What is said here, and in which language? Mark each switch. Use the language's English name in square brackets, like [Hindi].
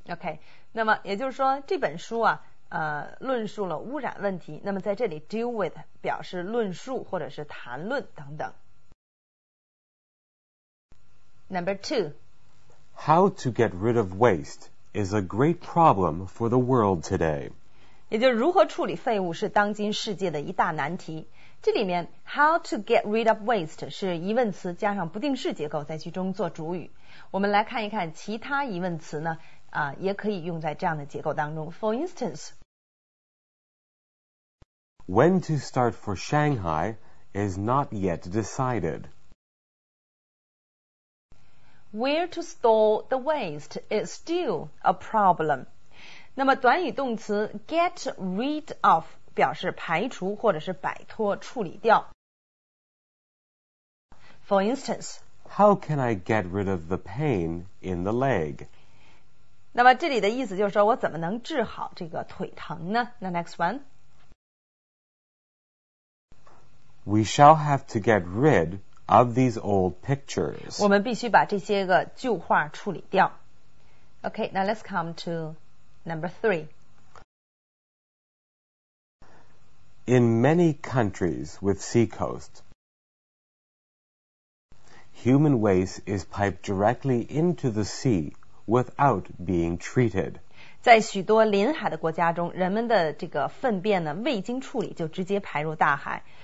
[Chinese] OK 那么也就是说这本书啊、论述了污染问题那么在这里 [English] deal with [Chinese] 表示论述或者是谈论等等 [English] Number 2 How to get rid of waste is a great problem for the world today. [Chinese] 也就是如何处理废物是当今世界的一大难题。这里面 [English] how to get rid of waste [Chinese] 是疑问词加上不定式结构在其中做主语。我们来看一看其他疑问词呢、也可以用在这样的结构当中。 [English] For instance, When to start for Shanghai is not yet decided. Where to store the waste is still a problem. [Chinese] 那么短语动词 [English] get rid of [Chinese] 表示排除或者是摆脱处理掉。 [English] For instance, How can I get rid of the pain in the leg? [Chinese] 那么这里的意思就是说我怎么能治好这个腿疼呢? [English] The next one. We shall have to get rid of these old pictures. [Chinese] 我们必须把这些个旧画处理掉。 [English] Okay, now let's come to number three. In many countries with seacoast, human waste is piped directly into the sea without being treated. [Chinese] 在许多临海的国家中，人们的这个粪便呢，未经处理就直接排入大海。